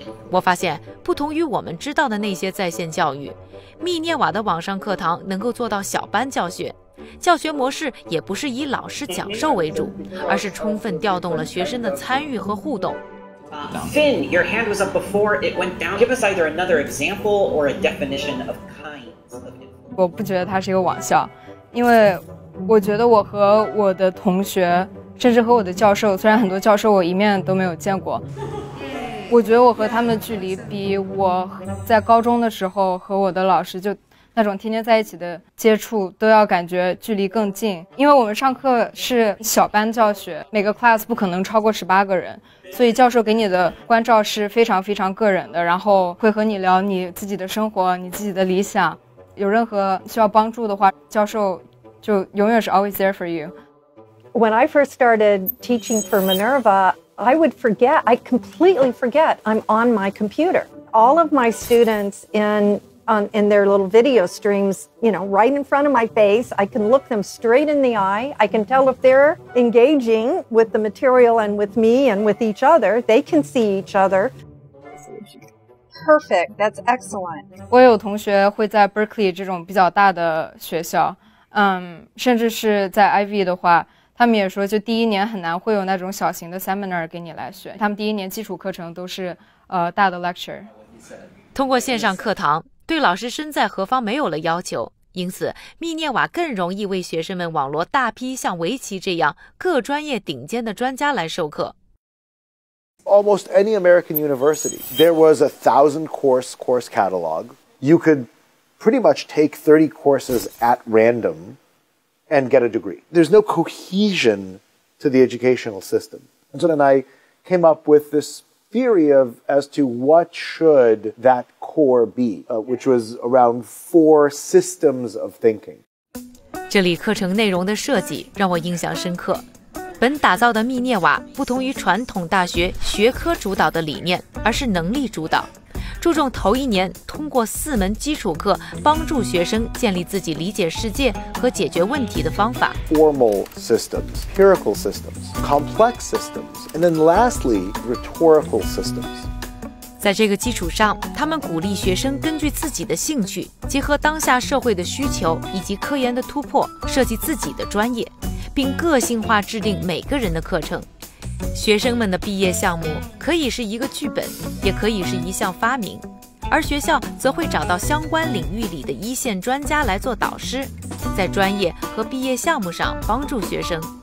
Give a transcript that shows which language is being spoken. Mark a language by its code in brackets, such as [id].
[zh] 我发现不同于我们知道的那些在线教育，密涅瓦的网上课堂能够做到小班教学，教学模式也不是以老师讲授为主，而是充分调动了学生的参与和互动。 [en] Finn, your hand was up before it went down. Give us either another example or a definition of kinds of. [zh] 我不觉得它是一个网校，因为我觉得我和我的同学，甚至和我的教授，虽然很多教授我一面都没有见过，我觉得我和他们的距离比我在高中的时候和我的老师就那种天天在一起的接触都要感觉距离更近，因为我们上课是小班教学，每个 class 不可能超过18个人，所以教授给你的关照是非常非常个人的，然后会和你聊你自己的生活，你自己的理想，有任何需要帮助的话，教授就永远是 [en] always there for you。 When I first started teaching for Minerva, I would forget, I completely forget I'm on my computer. All of my students in their little video streams, you know, right in front of my face, I can look them straight in the eye. I can tell if they're engaging with the material and with me and with each other. They can see each other. Perfect, that's excellent. [zh] 我有同学会在 Berkeley 这种比较大的学校，甚至是在 Ivy 的话，他们也说就第一年很难会有那种小型的 seminar 给你来学，他们第一年基础课程都是大的 lecture。通过线上课堂，对老师身在何方没有了要求，因此密涅瓦更容易为学生们网罗大批像维奇这样各专业顶尖的专家来授课。 [en] Almost any American university, there was a 1,000 course catalog. You could pretty much take 30 courses at randomand get a degree. There's no cohesion to the educational system. And so then I came up with this theory of as to what should that core be, which was around four systems of thinking. [zh] 这里课程内容的设计让我印象深刻。本打造的密涅瓦不同于传统大学学科主导的理念，而是能力主导，注重头一年通过四门基础课帮助学生建立自己理解世界和解决问题的方法。 [en] Formal systems, empirical systems, complex systems, and then lastly, rhetorical systems. [zh] 在这个基础上，他们鼓励学生根据自己的兴趣，结合当下社会的需求以及科研的突破，设计自己的专业，并个性化制定每个人的课程。学生们的毕业项目可以是一个剧本，也可以是一项发明，而学校则会找到相关领域里的一线专家来做导师，在专业和毕业项目上帮助学生。